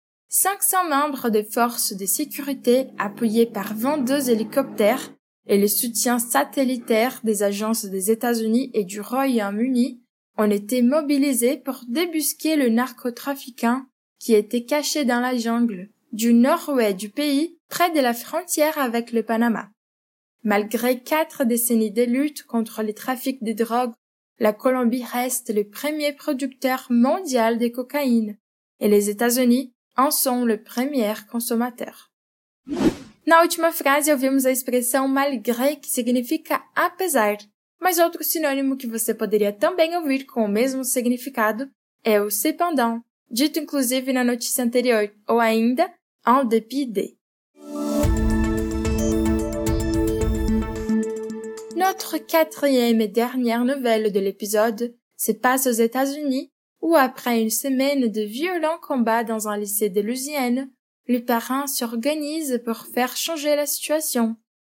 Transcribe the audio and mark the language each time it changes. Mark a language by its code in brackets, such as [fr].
[fr] 500 membres des forces de sécurité appuyés par 22 hélicoptères et le soutien satellitaire des agences des États-Unis et du Royaume-Uni ont été mobilisés pour débusquer le narcotrafiquant qui était caché dans la jungle du nord-ouest du pays, près de la frontière avec le Panama. Malgré 4 décennies de lutte contre les trafics de drogue, la Colombie reste le premier producteur mondial de cocaïne et les États-Unis en sont le premier consommateur. [pt] Na última frase, ouvimos a expressão malgré, que significa apesar, mas outro sinônimo que você poderia também ouvir com o mesmo significado é o cependant, dito inclusive na notícia anterior, ou ainda, en dépit de. [fr] Notre quatrième et dernière nouvelle de l'épisode se passe aux États-Unis, où après une semaine de violents combats dans un lycée de Louisiane, les parents s'organisent pour faire changer la situation.